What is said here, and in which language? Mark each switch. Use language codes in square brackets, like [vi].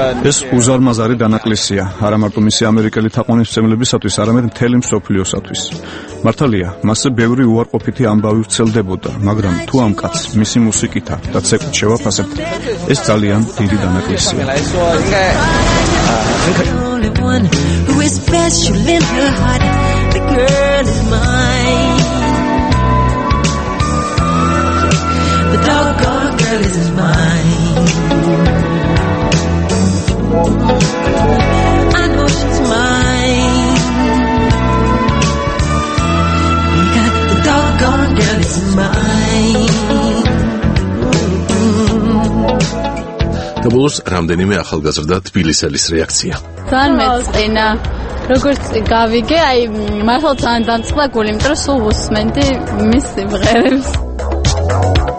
[ka] ეს უზარმაზარი დანაკლისია, არა მარტო მისი ამერიკელი თაყვანისმცემლებისათვის, არამედ მთელი მსოფლიოსათვის. მართალია, მასზე ბევრი უარყოფითი ამბავი ვრცელდებოდა, მაგრამ თუ ამ კაცს მისი მუსიკითა და ცეკვით შევაფასებ, ეს ძალიან დიდი დანაკლისია. [en] Special in her heart, the girl is mine. The doggone girl is mine. I know she's mine. The doggone girl is mine. The bulls randomly [ka] ახალ გაზრდა თბილისელის რეაქცია. ძალიან მეწყინა. როგორც გავიგე, აი მართლა ძალიან დამწყდა გული, იმიტომ რომ სულ უსმენდი მის სიმღერებს.